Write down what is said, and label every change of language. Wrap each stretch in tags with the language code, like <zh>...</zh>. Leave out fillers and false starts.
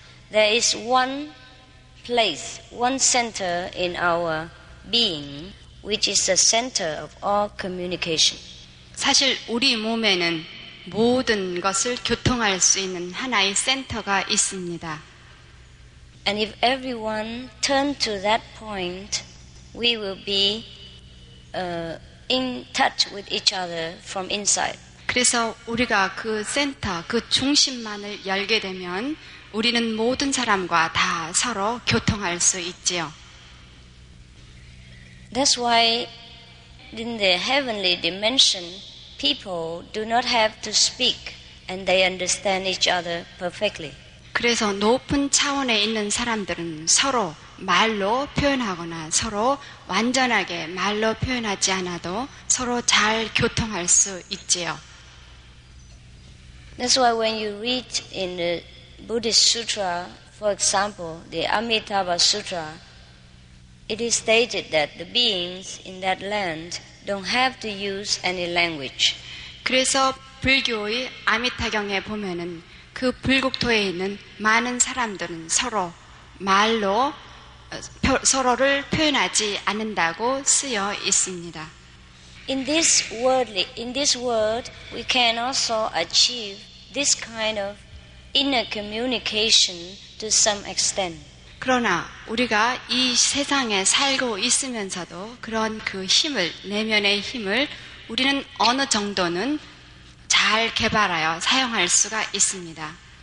<en>There is one place, one center in our being, which is the center of all communication.</en> <ko>사실 우리 몸에는 모든 것을 교통할 수 있는 하나의 센터가 있습니다.</ko> <en>And if everyone turned to that point, we will be in touch with each other from inside.</en> <ko>그래서 우리가 그 센터, 그 중심만을 열게 되면 우리는 모든 사람과 다 서로 교통할 수 있지요.</ko> <en>That's why in the heavenly dimension, people do not have to speak and they understand each other perfectly.</en> <ko>그래서 높은 차원에 있는 사람들은 서로 말로 표현하거나 서로 완전하게 말로 표현하지 않아도 서로 잘 교통할 수 있지요.</ko> <en>That's why when you read in the Buddhist Sutra, for example, the Amitabha Sutra, it is stated that the beings in that land don't have to use any language.</en> <ko>그래서 불교의 아미타경에 보면은 그 불국토에 있는 많은 사람들은 서로 말로 서로를 표현하지 않는다고 쓰여 있습니다.</ko> <en>In this world, we can also achieve this kind of inner communication to some extent.</en> <ko>그러나 우리가 이 세상에 살고 있으면서도 그런 그 힘을 내면의 힘을 우리는 어느 정도는 잘 개발하여 사용할 수가 있습니다.</ko>